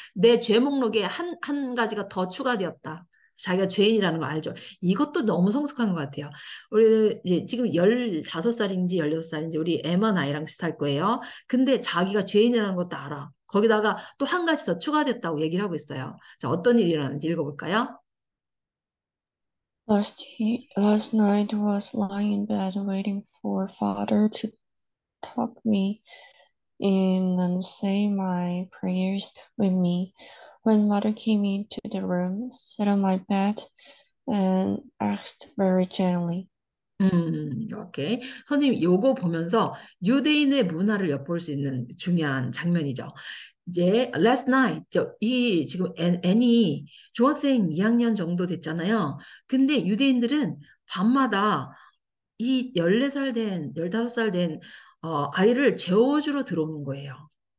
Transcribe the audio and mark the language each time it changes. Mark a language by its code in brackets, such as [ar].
[ko] 내죄 목록에 한 가지가 더 추가되었다. 자기가 죄인이라는 거 알죠. 이것도 너무 성숙한 것 같아요. 우리 이제 지금 15살인지 16살인지 우리 에머 나이랑 비슷할 거예요. 근데 자기가 죄인이라는 것도 알아. 거기다가 또한 가지 더 추가됐다고 얘기를 하고 있어요. 자, 어떤 일이라는지 읽어볼까요? [en] Last night was lying in bed waiting for father to tuck me in and say my prayers with me. When mother came into the room, sat on my bed and asked very gently. [ko] 오케이. 선생님, 요거 보면서 유대인의 문화를 엿볼 수 있는 중요한 장면이죠. 이제 [en] last night, [ko] 이 지금 애니 중학생 2학년 정도 됐잖아요. 근데 유대인들은 밤마다 이 14살 된, 15살 된 아이를 재워주러 들어오는 거예요.